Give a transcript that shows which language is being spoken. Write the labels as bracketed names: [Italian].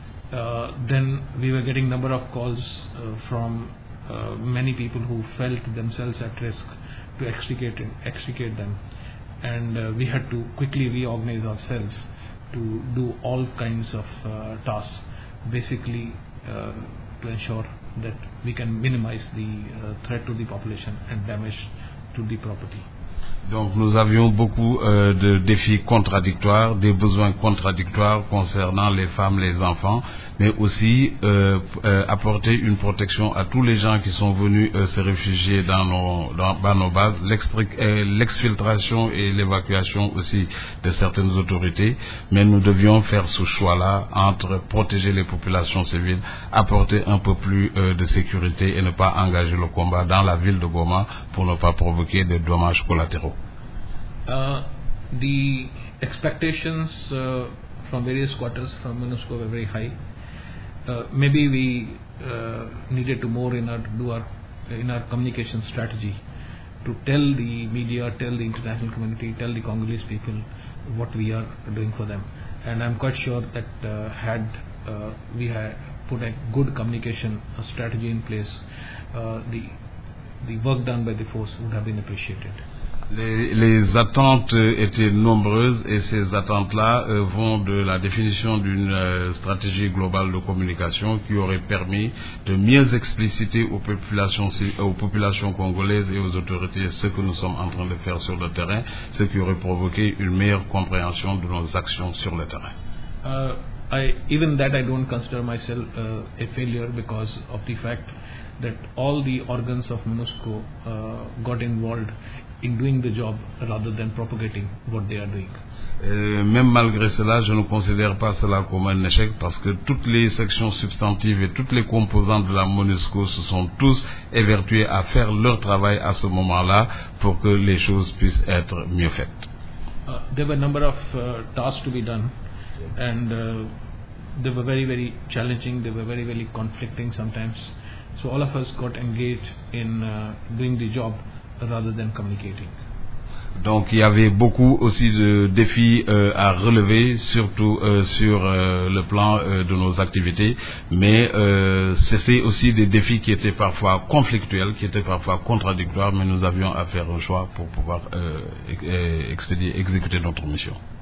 [English] Then we were getting number of calls from many people who felt themselves at risk to extricate them, and we had to quickly reorganize ourselves to do all kinds of tasks, basically to ensure that we can minimize the threat to the population and damage to the property. [French] Donc nous avions beaucoup de défis contradictoires, des besoins contradictoires concernant les femmes, les enfants, mais aussi apporter une protection à tous les gens qui sont venus se réfugier dans nos bases, l'exfiltration et l'évacuation aussi de certaines autorités, mais nous devions faire ce choix-là entre protéger les populations civiles, apporter un peu plus de sécurité et ne pas engager le combat dans la ville de Goma pour ne pas provoquer des dommages collatéraux. [English] The expectations from various quarters from MONUSCO were very high. Maybe we needed to more in our communication strategy to tell the media, tell the international community, tell the Congolese people what we are doing for them. And I'm quite sure that had we put a good communication strategy in place, the work done by the force would have been appreciated. [French] Les attentes étaient nombreuses et ces attentes-là vont de la définition d'une stratégie globale de communication qui aurait permis de mieux expliciter aux populations congolaises et aux autorités ce que nous sommes en train de faire sur le terrain, ce qui aurait provoqué une meilleure compréhension de nos actions sur le terrain. [English] I don't consider myself a failure because of the fact that all the organs of MONUSCO got involved in doing the job rather than propagating what they are doing. [French] Même malgré cela, je ne considère pas cela comme un échec parce que toutes les sections substantives et toutes les composantes de la MONUSCO se sont tous évertuées à faire leur travail à ce moment-là pour que les choses puissent être mieux faites. [English] There were a number of tasks to be done and they were very, very challenging, they were very, very conflicting sometimes. So all of us got engaged in doing the job rather than communicating. [French] Donc il y avait beaucoup aussi de défis à relever, surtout sur le plan de nos activités, mais c'était aussi des défis qui étaient parfois conflictuels, qui étaient parfois contradictoires, mais nous avions à faire un choix pour pouvoir exécuter notre mission.